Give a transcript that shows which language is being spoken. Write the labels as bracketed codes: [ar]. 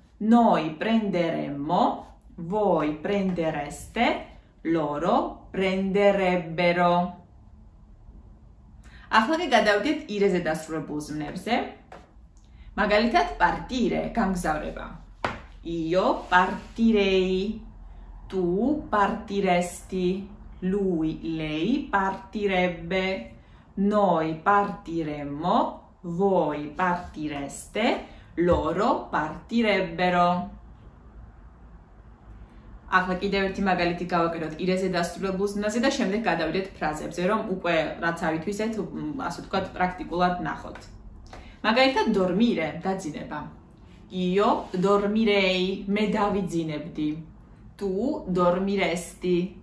[it] Noi prenderemmo, voi prendereste, loro prenderebbero. [ka] Ახლა კი გადავდით ირეზე დასრულებულ ზმნებზე. მაგალითად, partire, გამგზავრება. [it] Io partirei, tu partiresti, lui, lei partirebbe, noi partiremmo, voi partireste, loro partirebbero. [ka] Ახლა კიდევ ერთი მაგალითი გავაკეთოთ ირეზე დასრულებულ ზმნაზე და შემდეგ გადავიდეთ ფრაზებზე, რომ უკვე რაც ავითვისეთ, ასე ვთქვათ, პრაქტიკულად ნახოთ. მაგალითად, dormire, დაძინება. [it] Io dormirei, [ka] me davizinebdi. [it] Tu dormiresti.